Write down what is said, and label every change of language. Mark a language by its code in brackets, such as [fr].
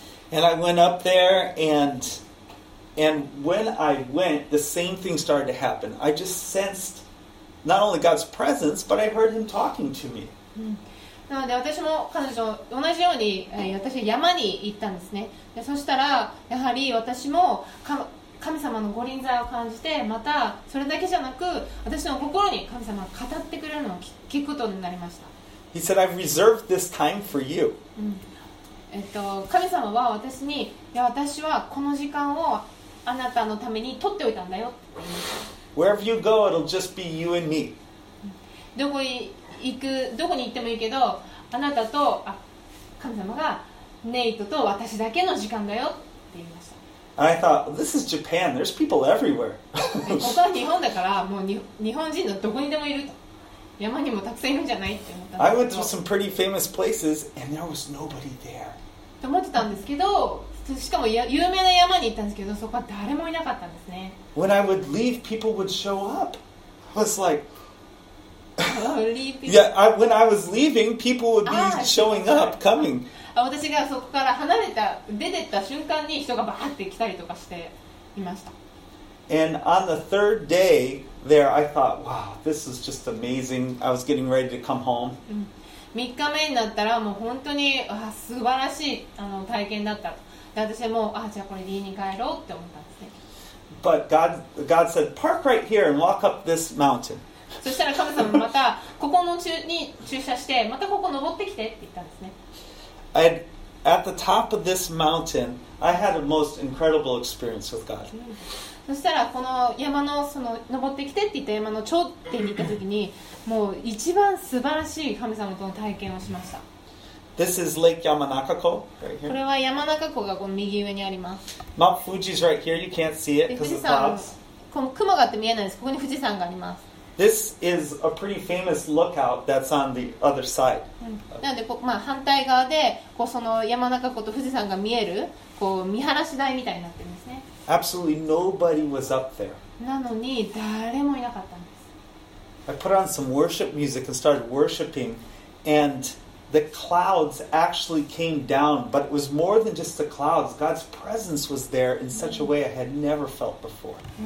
[en] and I went up there, and when I went, the same thing started to happen. I just sensed not only God's presence, but I heard Him talking to me. [ja] なので私も彼女と同じように私は山に行ったんですね。でそしたらやはり私も神様の御臨在を感じて、またそれだけじゃなく私の心に神様が語ってくれるのを聞くことになりました。 [en] He said, I've reserved this time for you. [ja] 神様は私に、いや私はこの時間をあなたのために取っておいたんだよ。 [en] Wherever you go, it'll just be you and me. [ja] どこに行く、どこに行ってもいいけど、あなたと、あ、神様がネイトと私だけの時間だよって言いました。 [en] I thought, this is Japan. There's people everywhere. [ja] ここは日本だから、もう日本人のどこにでもいると、山にもたくさんいるんじゃないって思ったんですけど。 [en] I went to some pretty famous places and there was nobody there. [ja] と思ってたんですけど、しかも有名な山に行ったんですけど、そこは誰もいなかったんですね。 [en] When I would leave, people would show up. I was like,Yeah, when I was leaving, people would be showing up, coming. [ja] 私がそこから離れた、出てった瞬間に人がバーって来たりとかしていました。 [en] And on the third day there, I thought, wow, this is just amazing. I was getting ready to come home. [ja] 3日目になったらもう本当に素晴らしい体験だった。で、私はもう、じゃあこれ家に帰ろうって思ったんですね。 [en] But God said, park right here and walk up this mountain. [ja] そしたら神様またここの中に駐車して、またここ登ってきてって言ったんですね。 [en] And at the top of this mountain, I had a most incredible experience with God. [ja] そしたらこの山のその登ってきてって言った山の頂点に行った時にもう一番素晴らしい神様との体験をしました。 [en] This is Lake Yamanaka-ko, right here. [ja] これは山中湖がこの右上にあります。 [en] Mount Fuji is right here. You can't see it because of clouds. [ja] この雲があって見えないです。ここに富士山があります。 [en] This is a pretty famous lookout that's on the other side. [ja] なのでこう、まあ、反対側でこうその山中湖と富士山が見えるこう見晴らし台みたいになってます。 [en] Absolutely nobody was up there. [ja] なのに誰もいなかったんです。 [en] I put on some worship music and started worshiping, and the clouds actually came down. But it was more than just the clouds. God's presence was there in such a way I had never felt before.